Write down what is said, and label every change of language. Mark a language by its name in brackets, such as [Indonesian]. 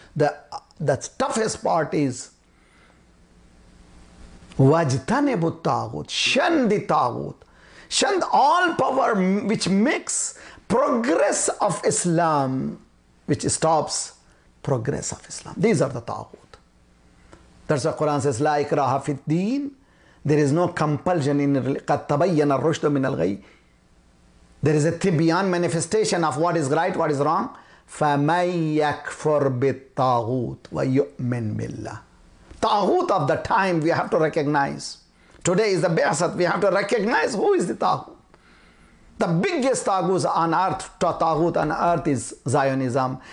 [English] The toughest part is [Arabic] wajtanibu taghut, [English] shun the taghut, shun all power which makes progress of Islam, which stops progress of Islam. These are the taghut. That's why Quran says, [Arabic] La ikraha fi al-deen. [English] There is no compulsion in [Arabic] قَدْ تَبَيَّنَ الرُّشْدُ مِنَ الْغَيِّ. [English] There is a tibian manifestation of what is right, what is wrong. [Arabic] فَمَنْ يَكْفُرْ بِالطَّاغُوتِ وَيُؤْمِنْ بِاللَّهِ. [English] Taghut of the time we have to recognize. Today is the Ba'asat. We have to recognize who is the taghut. The biggest taghut on earth, taghut on earth is Zionism.